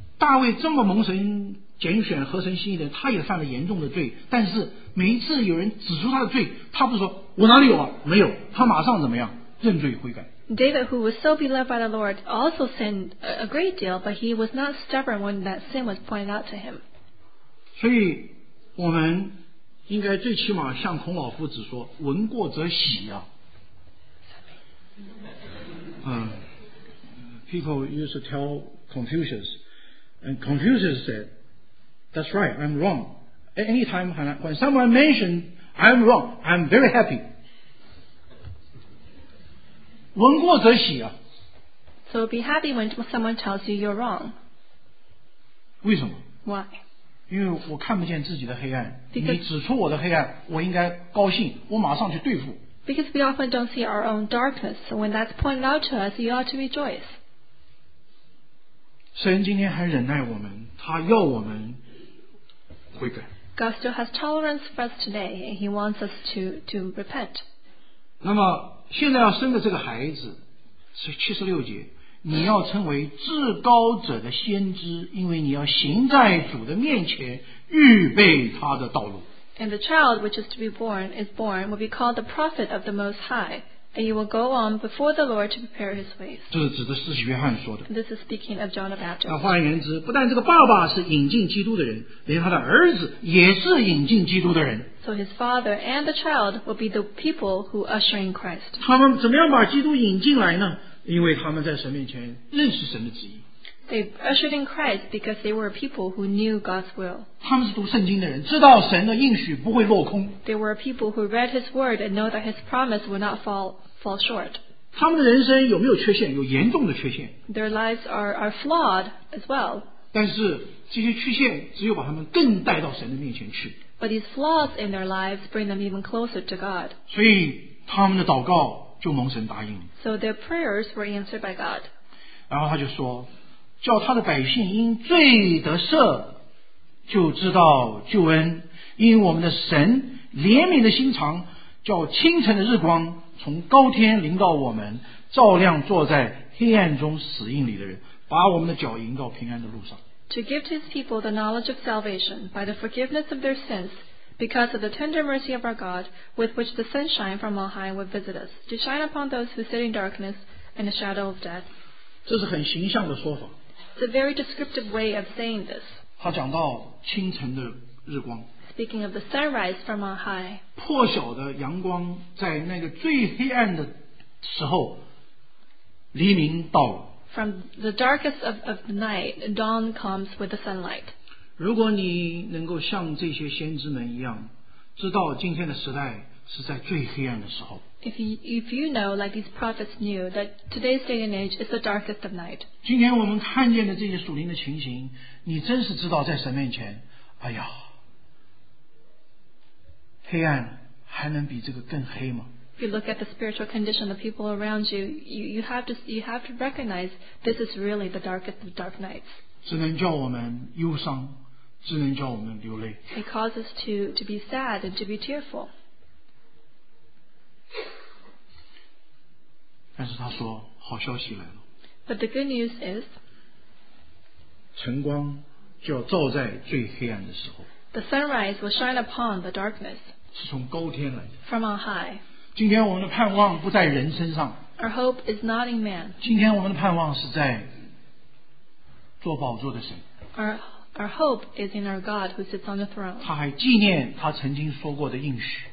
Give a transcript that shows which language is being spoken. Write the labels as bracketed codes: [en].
[zh] 大卫这么蒙神拣选合神心意的，他也犯了严重的罪，但是每一次有人指出他的罪，他不说我哪里有啊，没有，他马上怎么样，认罪悔改。 [en] David, who was so beloved by the Lord, also sinned a great deal, but he was not stubborn when that sin was pointed out to him. [zh] 所以我们应该最起码像孔老夫子说，闻过则喜啊。 [en] People used to tell Confucius, and Confucius said, "That's right, I'm wrong." Anytime when someone mentioned I'm wrong, I'm very happy. [zh] 闻过则喜啊。 [en] So be happy when someone tells you you're wrong. [zh] 为什么？ [en] Why? [zh] 因为我看不见自己的黑暗，你指出我的黑暗，我应该高兴，我马上去对付。 [en] Because we often don't see our own darkness, so when that's pointed out to us, you ought to rejoice. [zh] 神今天还忍耐我们，他要我们悔改。 [en] God still has tolerance for us today, and He wants us to repent. [zh] 那么现在要生的这个孩子，是七十六节。你要称为至高者的先知，因为你要行在主的面前，预备他的道路。 [en] And the child which is to be born is born will be called the prophet of the Most High, and you will go on before the Lord to prepare his ways. [zh] 这是指的是约翰说的。 [en] This is speaking of John the Baptist. [zh] 那换言之，不但这个爸爸是引进基督的人，连他的儿子也是引进基督的人。 [en] So his father and the child will be the people who usher in Christ. [zh] 他们怎么样把基督引进来呢？因为他们在神面前认识神的旨意。 [en] They ushered in Christ because they were a people who knew God's will. [zh] 他们是读圣经的人，知道神的应许不会落空。 [en] They were a people who read His word and know that His promise would not fall short. [zh] 他们的人生有没有缺陷？有严重的缺陷。 [en] Their lives are flawed as well. [zh] 但是这些缺陷只有把他们更带到神的面前去。 [en] But these flaws in their lives bring them even closer to God. [zh] 所以他们的祷告就蒙神答应。 [en] So their prayers were answered by God. [zh] 然后他就说，叫他的百姓因罪得赦，就知道救恩，因我们的神怜悯的心肠，叫清晨的日光从高天临到我们，照亮坐在黑暗中死荫里的人，把我们的脚引到平安的路上。 [en] To give to his people the knowledge of salvation by the forgiveness of their sins,Because of the tender mercy of our God, with which the sunshine from on high would visit us, to shine upon those who sit in darkness and the shadow of death. [zh] 这是很形象的说法。 [en] It's a very descriptive way of saying this. [zh] 他讲到清晨的日光。 [en] Speaking of the sunrise from on high. [zh] 破晓的阳光在那个最黑暗的时候，黎明到了。 [en] From the darkest of the night, dawn comes with the sunlight. [zh] 如果你能够像这些先知们一样，知道今天的时代是在最黑暗的时候。 [en] If you know like these prophets knew that today's day and age is the darkest of night. [zh] 今天我们看见的这些属灵的情形，你真是知道在神面前，哎呀，黑暗还能比这个更黑吗？ [en] If you look at the spiritual condition of people around you, you have to recognize this is really the darkest of dark nights. [zh] 只能叫我们忧伤。只能叫我们流泪。 [en] It causes to be sad and to be tearful. [zh] 但是他说，好消息来了。 [en] But the good news is, [zh] 晨光就要照在最黑暗的时候。 [en] The sunrise will shine upon the darkness. [zh] 是从高天来的。 [en] From on high. [zh] 今天我们的盼望不在人身上。 [en] Our hope is not in man. [zh] 今天我们的盼望是在坐宝座的神。 [en] Our hope is in our God who sits on the throne. [zh] 他还纪念他曾经说过的应许。